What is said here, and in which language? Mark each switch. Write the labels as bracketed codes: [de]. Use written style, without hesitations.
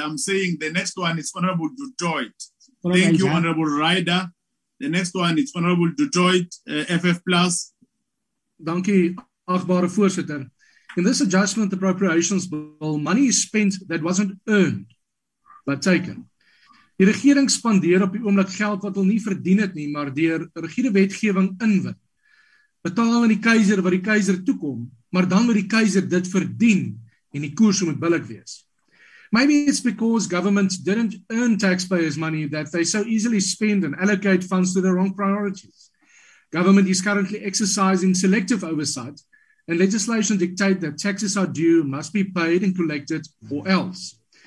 [en] I'm saying the next one is Honorable Dutoit. Thank you, Honorable Ryder. The next one is Honorable Dutoit, FF Plus. Thank you, [af] Achbare Voorzitter. [en] In this adjustment appropriations bill, money is spent that wasn't earned, but taken. [af] Die regering spandeer op die oomblik geld wat hulle nie verdien het nie, maar deur rigiede wetgewing inwin. Betaal aan die keiser wat die keiser toekom, maar dan moet die keiser dit verdien en die koers moet billik wees. [en] Maybe it's because governments didn't earn taxpayers' money that they so easily spend and allocate funds to the wrong priorities. Government is currently exercising selective oversight, and legislation dictate that taxes are due, must be paid and collected, or else.